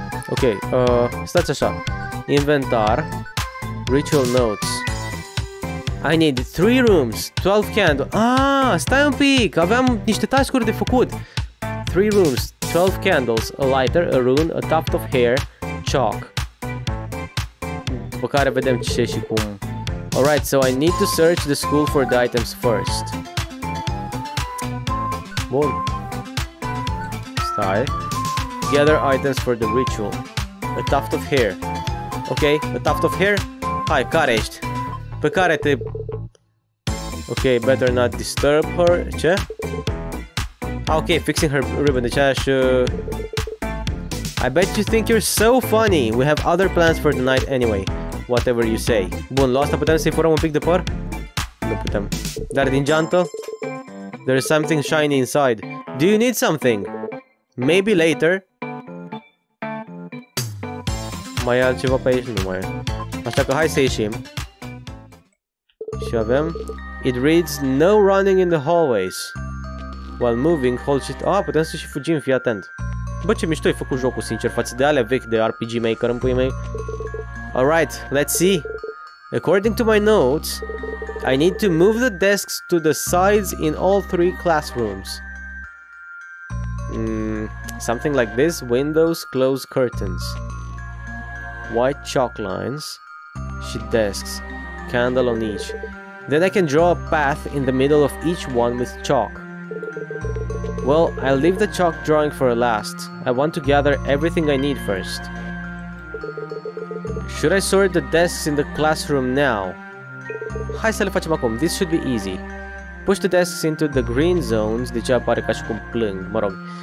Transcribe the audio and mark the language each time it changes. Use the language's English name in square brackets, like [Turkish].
[Romanian] Ok, stați așa. Inventar. [English] Ritual notes. I need 3 rooms, 12 candles. [Romanian] Ah, stai un pic, aveam niște task-uri de făcut. [English] 3 rooms, 12 candles, a lighter, a rune, a tuft of hair, chalk. [Romanian] După care vedem ce și cum. [English] Alright, so I need to search the school for the items first. [Romanian] Bun. Stai. [English] Gather items for the ritual. A tuft of hair. [Romanian] Ok, [English] a tuft of hair. [Romanian] Hai, care ești? Pe care te... [English] Ok, better not disturb her. [Romanian] Ce? Ah, ok, [English] fixing her ribbon. [Romanian] Deci aș... [English] I bet you think you're so funny. We have other plans for the night anyway. Whatever you say. [Romanian] Bun, la asta putem să-i furăm un pic de păr? Nu putem. Dar din geantă? [English] There is something shiny inside. Do you need something? Maybe later. [Romanian] Mai e altceva pe aici? Nu mai e. Așa că hai să ieșim. Și avem... [English] It reads, no running in the hallways. While moving, hold shift... [Romanian] Ah, putem să și fugim, fii atent. Bă, ce mișto ai făcut jocul, sincer, față de alea vechi de RPG Maker, în puii mei. [English] Alright, let's see. According to my notes, I need to move the desks to the sides in all three classrooms. Something like this, windows, close curtains. White chalk lines. Și desks. Candle on each. Then I can draw a path in the middle of each one with chalk. Well, I'll leave the chalk drawing for last. I want to gather everything I need first. Should I sort the desks in the classroom now? [Romanian] Hai să le facem acum, [English] this should be easy. Push the desks into the green zones, [Romanian] deja pare ca și cum plâng, mă rog.